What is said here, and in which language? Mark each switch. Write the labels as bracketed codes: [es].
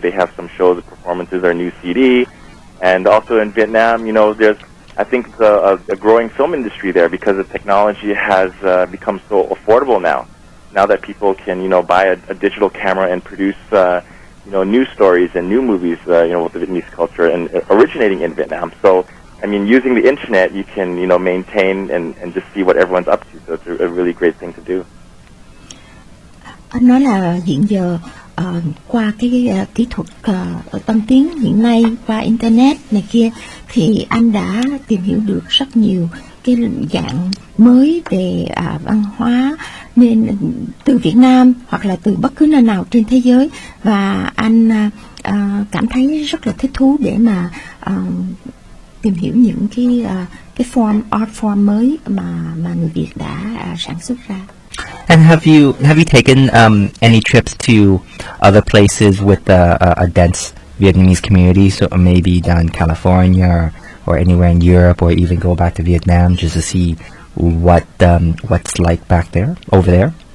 [en] They have some shows, performances, our new CD. And also in Vietnam, you know, there's, I think, a growing film industry there because the technology has become so affordable now that people can, you know, buy a digital camera and produce you know, new stories and new movies, you know, with the Vietnamese culture and originating in Vietnam. So, I mean, using the internet, you can, you know, maintain and just see what everyone's up to. So it's a really great thing to do. [vi] Anh nói là hiện giờ qua cái kỹ thuật tân tiến hiện nay qua internet này kia thì anh đã tìm hiểu được rất nhiều cái dạng mới về văn hóa nên từ Việt Nam hoặc là từ bất cứ nơi nào trên thế giới và anh cảm thấy rất là thích thú để mà tìm hiểu những cái form art form mới mà người Việt đã sản xuất ra. [en] And have you taken any trips to other places with a dense Vietnamese community, so maybe down California or anywhere in Europe, or even go back to Vietnam just to see what's like back there, over there?